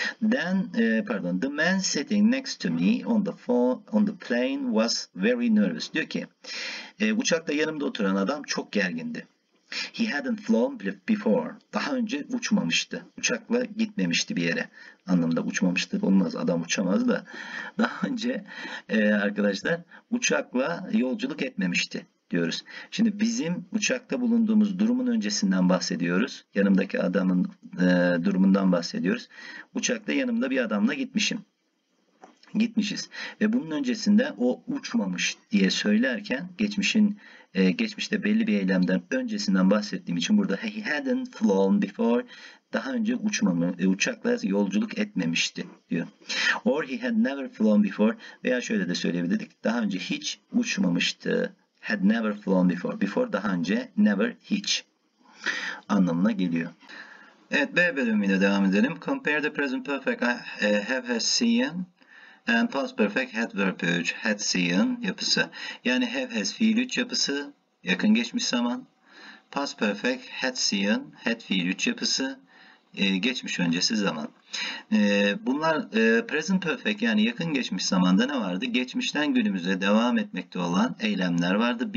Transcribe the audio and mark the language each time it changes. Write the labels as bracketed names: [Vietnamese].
[English] Then, pardon, the man sitting next to me on the phone, on the plane was very nervous. [Turkish] Diyor ki, uçakta yanımda oturan adam çok gergindi. [English] He hadn't flown before. [Turkish] Daha önce uçmamıştı. Uçakla gitmemişti bir yere. Anlamda uçmamıştı. Olmaz, adam uçamaz da. Daha önce arkadaşlar uçakla yolculuk etmemişti diyoruz. Şimdi bizim uçakta bulunduğumuz durumun öncesinden bahsediyoruz. Yanımdaki adamın durumundan bahsediyoruz. Uçakta yanımda bir adamla gitmişim. Gitmişiz. Ve bunun öncesinde o uçmamış diye söylerken geçmişte belli bir eylemden öncesinden bahsettiğim için burada [English] he hadn't flown before, [Turkish] daha önce uçakla yolculuk etmemişti diyor. [English] Or he had never flown before, [Turkish] veya şöyle de söyleyebilirdik. Daha önce hiç uçmamıştı. [English] Had never flown before. [Turkish] Before daha önce, never hiç anlamına geliyor. Evet, B bölümüyle devam edelim. [English] Compare the present perfect I have has seen and past perfect had verbiage, had seen yapısı. [Turkish] Yani have has fiil 3 yapısı, yakın geçmiş zaman. Past perfect had seen, had fiil 3 yapısı, geçmiş öncesi zaman. Bunlar present perfect, yani yakın geçmiş zamanda ne vardı? Geçmişten günümüze devam etmekte olan eylemler vardı.